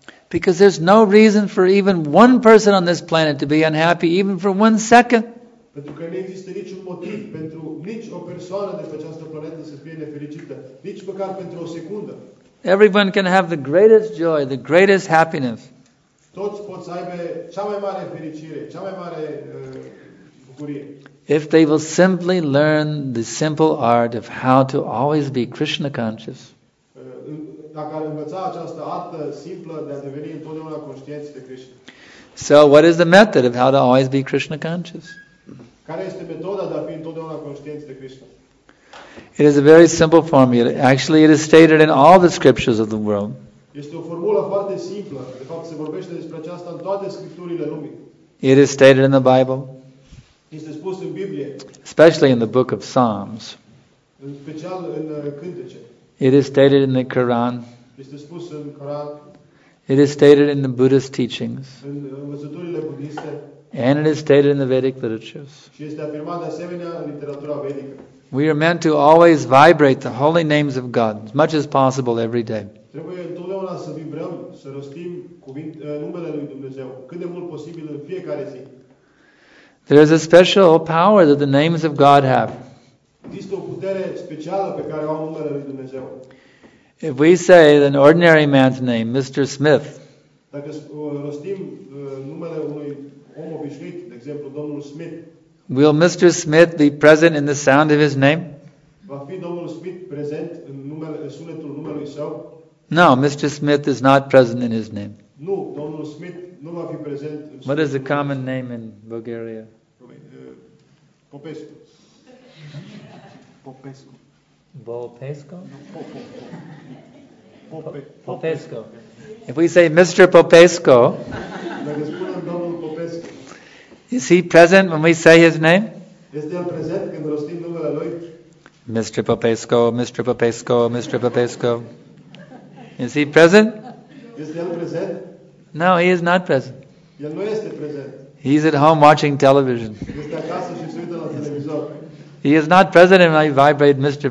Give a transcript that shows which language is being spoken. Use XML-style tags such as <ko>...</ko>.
<en>Because there's no reason for even one person on this planet to be unhappy, even for one second.</en> <ro>Pentru că nu există niciun motiv pentru nici o persoană de pe această planetă să fie nefericită, nici măcar pentru o secundă.</ro> <en>Everyone can have the greatest joy, the greatest happiness.</en> <ro>Toți pot să aibă cea mai mare fericire, cea mai mare bucurie.</ro> <en>If they will simply learn the simple art of how to always be Krishna conscious.</en> <ro>Dacă ar învăța această artă simplă de a deveni întotdeauna conștienți de Krishna.</ro> <en>So what is the method of how to always be Krishna conscious?</en> <ro>Care este metoda de a fi întotdeauna conștienți de Krishna?</ro> <en>It is a very simple formula. Actually, it is stated in all the scriptures of the world.</en> <ro>Este o formulă foarte simplă. De fapt, se vorbește despre aceasta în toate scripturile lumii.</ro> <en>It is stated in the Bible.</en> <ro>Este spus în Biblie.</ro> <en>Especially in the book of Psalms.</en> <ro>În special în cântece.</ro> <en>It is stated in the Quran.</en> <ro>Este spus în Quran.</ro> <en>It is stated in the Buddhist teachings.</en> <ro>În învățăturile budiste.</ro> <en>And it is stated in the Vedic literatures.</en> <ro>Și este afirmat de asemenea în literatura vedică.</ro> <en>We are meant to always vibrate the holy names of God as much as possible every day.</en> <ro>Trebuie întotdeauna să vibrăm, să rostim numele lui Dumnezeu cât de mult posibil în fiecare zi.</ro> <en>There is a special power that the names of God have.</en> <ro>Există o putere specială pe care o au numele lui Dumnezeu.</ro> <en>If we say an ordinary man's name, Mr. Smith,</en> <ro>dacă rostim numele unui om obișnuit, de exemplu domnul Smith,</ro> <en>will Mr. Smith be present in the sound of his name?</en> <ro>Va fi domnul Smith prezent în numele, sunetul numelui său?</ro> <en>No, Mr. Smith is not present in his name.</en> <ro>Nu, domnul Smith nu va fi prezent în.</ro> <en>What is the common name in Bulgaria? Popescu. Popescu. Volpescu? Popescu. Popescu. If we say Mr. Popescu,</en> <ro>dacă spunem domnul Popescu,</ro> <en>is he present when we say his name?</en> <ro>Este el prezent când rostim numele lui?</ro> <en>Mr. Popescu, Mr. Popescu, Mr. Popescu. Is he present?</en> <ro>Este el prezent?</ro> <en>No, he is not present.</en> <ro>El nu este prezent.</ro> <en>He is at home watching television.</en> <ro>Este acasă și se uită la televizor.</ro> <en>He is not present when I vibrate Mr.</en>